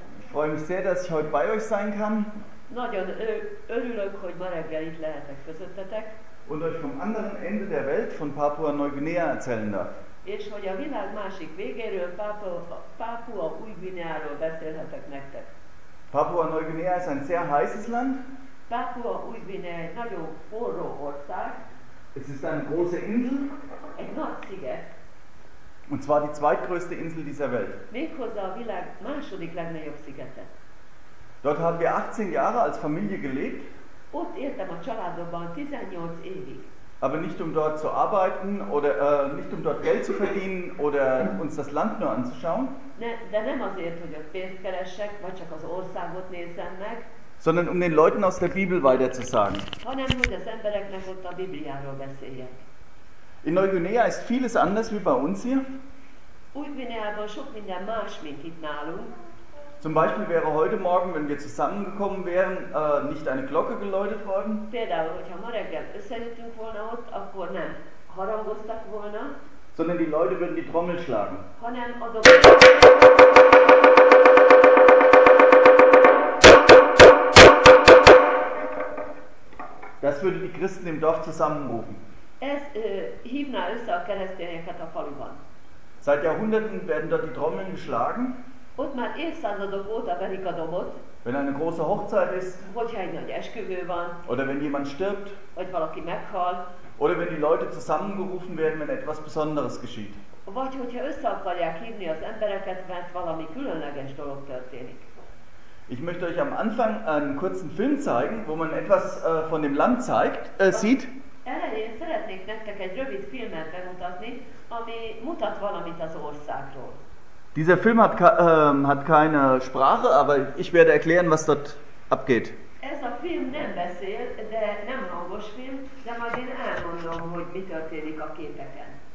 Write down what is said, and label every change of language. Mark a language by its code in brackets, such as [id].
[de] Freue mich sehr, dass ich heute bei euch sein kann. [hu] Nagyon örülök, hogy ma reggel itt lehetek közöttetek. [de] Und euch vom anderen Ende der Welt, von Papua-Neuguinea erzählen darf. [hu] És hogy a világ másik végéről, Papua-Új-Guineáról beszélhetek nektek. [de] Papua-Neuguinea ist ein sehr heißes Land. [hu] Papua-Új-Guinea egy nagyon forró ország. [de] Es ist eine große Insel. [hu] Egy nagy sziget. [de] Und zwar die zweitgrößte Insel dieser Welt. [hu] Méghozzá a világ második legnagyobb szigete. [de] Dort haben wir 18 Jahre als Familie gelebt. [hu] Ott éltem a családomban 18 évig. [de] Aber nicht um dort zu arbeiten oder nicht um dort Geld zu verdienen oder uns das Land nur anzuschauen. [hu] Ne, de nem azért, hogy a pénzt keresek, vagy csak az országot nézzem meg. [de] Sondern um den Leuten aus der Bibel weiter zu sagen. [hu] Hanem, hogy az embereknek ott a Bibliáról beszéljek. [de] In Neuguinea ist vieles anders wie bei uns hier. [hu] Új-Guineában sok minden más, mint itt nálunk. [de] Zum Beispiel wäre heute Morgen, wenn wir zusammengekommen wären, nicht eine Glocke geläutet worden. [hu] Például, hogyha ma reggel összejöttünk volna ott, akkor nem harangoztak volna. [de] Sondern die Leute würden die Trommel schlagen. [hu] Hanem a [de] Das würde die Christen im Dorf zusammenrufen. [hu] Ez hívná össze a keresztényeket a faluban. [de] Seit Jahrhunderten werden dort die Trommeln geschlagen. [hu] Ott már évszázadok óta verik a dobot. [de] Wenn eine große Hochzeit ist. [hu] Hogyha egy nagy esküvő van. [de] Oder wenn jemand stirbt. [hu] Vagy valaki meghal. [de] Oder wenn die Leute zusammengerufen werden, wenn etwas Besonderes geschieht. [hu] Vagy hogyha össze akarják hívni az embereket, mert valami különleges dolog történik. [de] Ich möchte euch am Anfang einen kurzen Film zeigen, wo man etwas von dem Land zeigt, sieht. [hu] Elején szeretnék nektek egy rövid filmet bemutatni, ami mutat valamit az országról. [de] Dieser Film hat, hat keine Sprache, aber ich werde erklären, was dort abgeht. [hu] Ez a film nem beszél, de nem hangos film, de majd én elmondom, hogy mi történik a képeken.